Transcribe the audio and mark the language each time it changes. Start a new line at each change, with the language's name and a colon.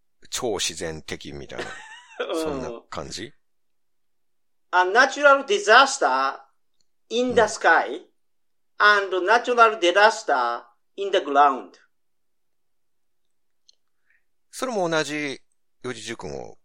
Japanese: 超自然的みたいな、そんな感じ？
English: A natural disaster in the sky and natural disaster in the ground.
Japanese: それも同じ四字熟語を